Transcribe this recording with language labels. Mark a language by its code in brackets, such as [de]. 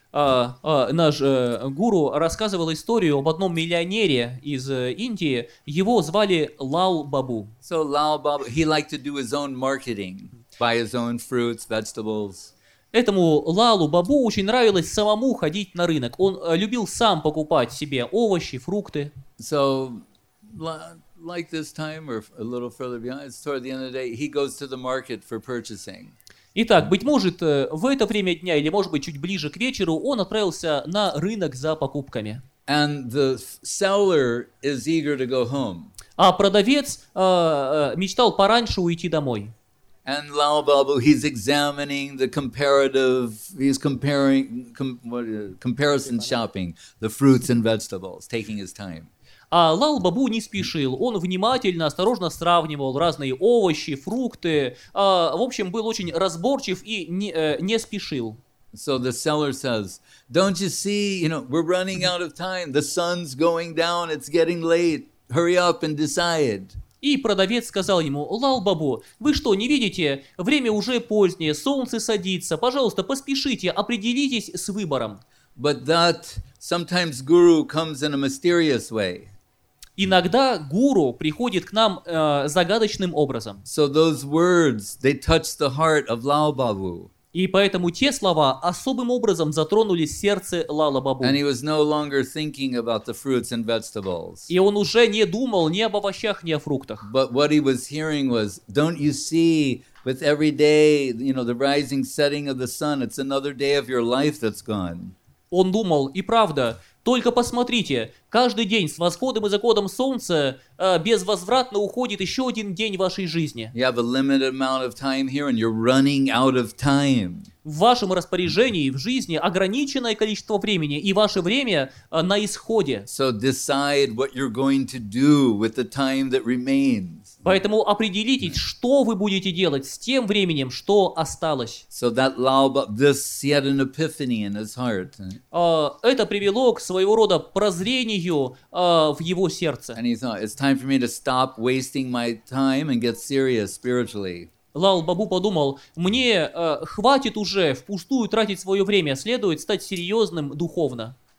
[ru] Наш гуру рассказывал историю об одном миллионере из Индии. Его звали Лал Бабу. [en] So Lal Babu, he liked to do his own marketing, buy his own fruits, vegetables. [ru] Этому Лалу Бабу очень нравилось самому ходить на рынок. Он любил сам покупать себе овощи, фрукты. [en] So like this time or a little further behind, it's toward the end of the day, he goes to the market for purchasing. [ru] Итак, быть может, в это время дня, или, может быть, чуть ближе к вечеру, он отправился на рынок за покупками. [en] And the seller is eager to go home. [ru] А продавец мечтал пораньше уйти домой. [en] And Lal Babu, he's examining the comparative, he's comparing comparison shopping, the fruits and vegetables, taking his time. [ru] А Лал Бабу не спешил, он внимательно, осторожно сравнивал разные овощи, фрукты, в общем, был очень разборчив и не спешил. [en] So the seller says, don't you see, you know, we're running out of time, the sun's going down, it's getting late, hurry up and decide. [ru] И продавец сказал ему, Лал Бабу, вы что, не видите, время уже позднее, солнце садится, пожалуйста, поспешите, определитесь с выбором. [en] But that sometimes guru comes in a mysterious way. [ru] Иногда гуру приходит к нам загадочным образом. [en] So those words, they touch the heart of Lal Babu. [ru] И поэтому те слова особым образом затронули сердце Лала Бабу. [en] And he was no longer thinking about the fruits and vegetables. [ru] И он уже не думал ни об овощах, ни о фруктах. [en] But what he was hearing was, don't you see, with every day, you know, the rising setting of the sun, it's another day of your life that's gone. [ru] Он думал, и правда, только посмотрите, каждый день с восходом и заходом солнца безвозвратно уходит еще один день вашей жизни. [en] You have a limited amount of time here, and you're running out of time. [ru] В вашем распоряжении в жизни ограниченное количество времени, и ваше время на исходе. [en] So decide what you're going to do with the time that remains. [ru] Поэтому определитесь, что вы будете делать с тем временем, что осталось. [en] So that Lal Babu, this, he had an epiphany in his heart. [ru] Это привело к своего рода прозрению в его сердце. [en] And he thought, it's time for me to stop wasting my time and get serious spiritually. [ru] Лал Бабу подумал, мне хватит уже впустую тратить свое время, следует стать серьезным духовно.